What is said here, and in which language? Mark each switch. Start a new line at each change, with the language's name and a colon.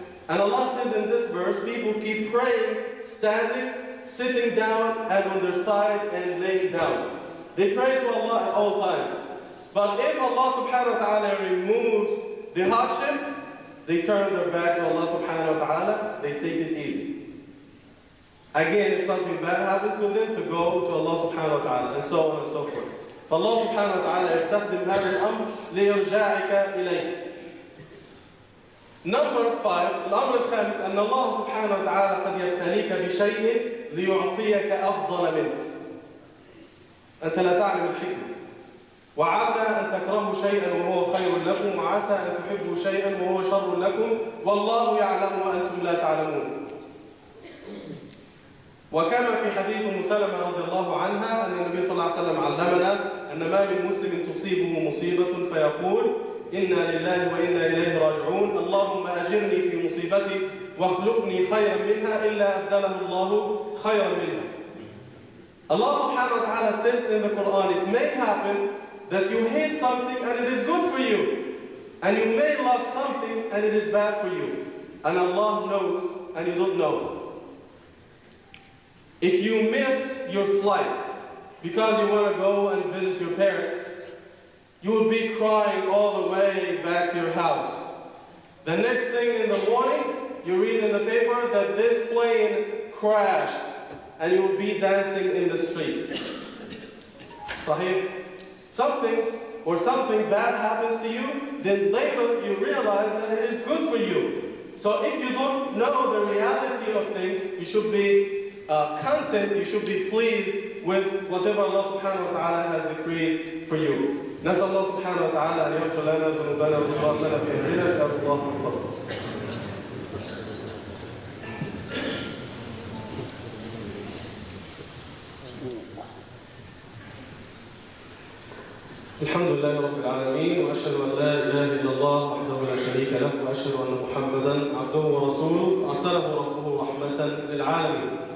English: And Allah says in this verse, people keep praying, standing, sitting down, and on their side, and laying down. They pray to Allah at all times. But if Allah subhanahu wa ta'ala removes the hardship, they turn their back to Allah subhanahu wa ta'ala, they take it easy. Again, if something bad happens to them, to go to Allah subhanahu wa ta'ala, and so on and so forth.
Arabic: فالله سبحانه وتعالى يستخدم هذا الأمر ليرجعك إليه.
English: Number five,
Arabic: الأمر الخامس أن الله سبحانه وتعالى قد يبتليك بشيء ليعطيك أفضل منه. أنت لا تعلم الحكمة. وعسى أن تكرهوا شيئا وهو خير لكم، وعسى أن تحبوا شيئا وهو شر لكم، والله يعلم وأنتم لا تعلمون. وكما في حديث مسلمة رضي الله عنها أن النبي صلى الله عليه وسلم علمنا أن ما من مسلم تصيبه مصيبة فيقول إنا لله وإنا إليه راجعون، اللهم أجرني في مصيبتي واخلفني خيرا منها إلا أبدله الله خيرا منها.
English: Allah subhanahu wa ta'ala says in the Quran, it may happen that you hate something and it is good for you, and you may love something and it is bad for you, and Allah knows and you don't know. If you miss your flight because you want to go and visit your parents, you will be crying all the way back to your house. The next thing in the morning, you read in the paper that this plane crashed and you will be dancing in the streets. Sahih? Something bad happens to you, then later you realize that it is good for you. So if you don't know the reality of things, you should be content, you should be pleased with whatever Allah subhanahu wa ta'ala has decreed for you.
Arabic: نسأل الله سبحانه وتعالى أن يغفر لنا ذنوبنا وإسرافنا في أمرنا، نسأل الله الفضل. الحمد لله رب العالمين، وأشهد أن لا إله إلا الله وحده لا شريك له، وأشهد أن محمدا عبده ورسوله أرسله ربه رحمة للعالمين.